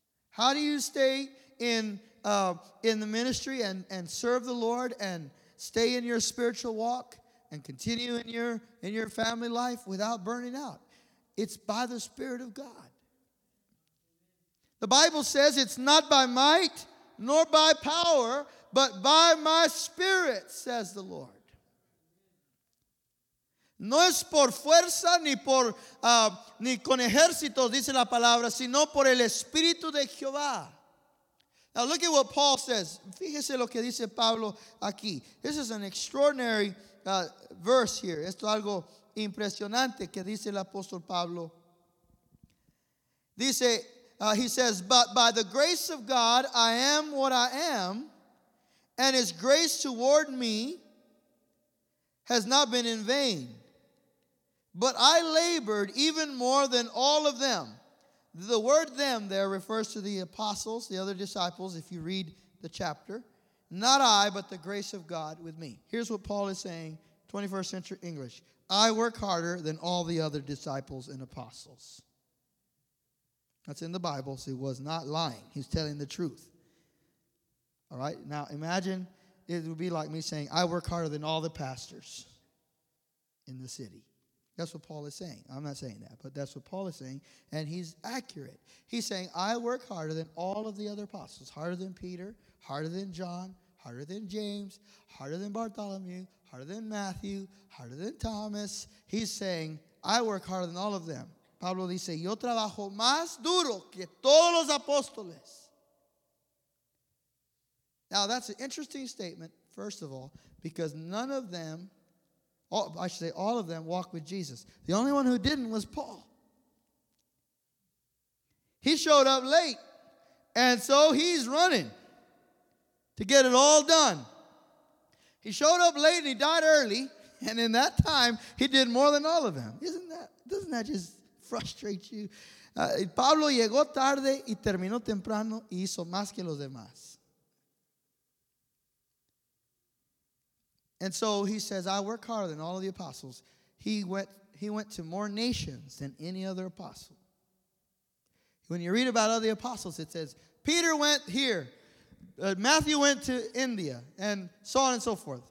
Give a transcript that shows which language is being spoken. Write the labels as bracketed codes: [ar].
[en] How do you stay in the ministry and serve the Lord and stay in your spiritual walk and continue in your family life without burning out? It's by the Spirit of God. The Bible says it's not by might nor by power, but by my Spirit, says the Lord. [es] No es por fuerza ni por ni con ejércitos, dice la palabra, sino por el Espíritu de Jehová. [en] Now look at what Paul says. [es] Fíjese lo que dice Pablo aquí. [en] This is an extraordinary verse here. [es] Esto es algo impresionante que dice el apóstol Pablo. Dice, [en] he says, but by the grace of God I am what I am, and his grace toward me has not been in vain, but I labored even more than all of them. The word them there refers to the apostles, the other disciples, if you read the chapter. Not I, but the grace of God with me. Here's what Paul is saying, 21st century English. I work harder than all the other disciples and apostles. That's in the Bible, so he was not lying. He's telling the truth. All right? Now, imagine it would be like me saying, I work harder than all the pastors in the city. That's what Paul is saying. I'm not saying that, but that's what Paul is saying, and he's accurate. He's saying, I work harder than all of the other apostles, harder than Peter, harder than John, harder than James, harder than Bartholomew, harder than Matthew, harder than Thomas. He's saying, I work harder than all of them. [es] Pablo dice, yo trabajo más duro que todos los apóstoles. [en] Now, that's an interesting statement, first of all, because none of them, all of them walked with Jesus. The only one who didn't was Paul. He showed up late, and so he's running to get it all done. He showed up late and he died early, and in that time, he did more than all of them. Doesn't that just frustrate you? [es] Pablo llegó tarde y terminó temprano y hizo más que los demás. [en] And so he says, I work harder than all of the apostles. He went to more nations than any other apostle. He When you read about other apostles, it says, Peter went here. Matthew went to India, and so on and so forth.